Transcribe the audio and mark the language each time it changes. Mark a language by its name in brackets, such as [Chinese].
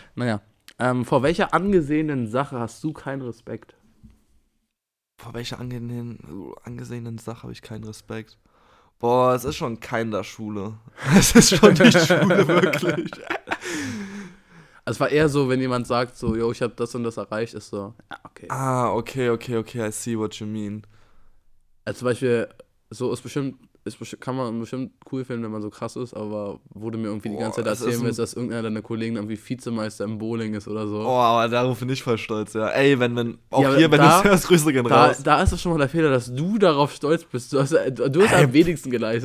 [German] Naja, vor welcher angesehenen Sache hast du keinen Respekt? Vor welcher angesehenen Sache habe ich keinen Respekt? Boah, es ist schon kein der Schule. Es ist schon die Schule, wirklich. Es war eher so, wenn jemand sagt so, yo, ich habe das und das erreicht, ist so, ja, okay. [English] Ah, okay, I see what you mean. [German] Also zum Beispiel, so ist bestimmt, kann man bestimmt cool finden, wenn man so krass ist, aber wurde mir irgendwie, boah, die ganze Zeit erzählen, dass irgendeiner deiner Kollegen irgendwie Vizemeister im Bowling ist oder so. Oh, aber darauf bin ich voll stolz, ja. Ey, wenn auch ja, hier, wenn du es hörst, Grüße gehen raus. Da ist doch schon mal der Fehler, dass du darauf stolz bist. Du hast am wenigsten geleistet.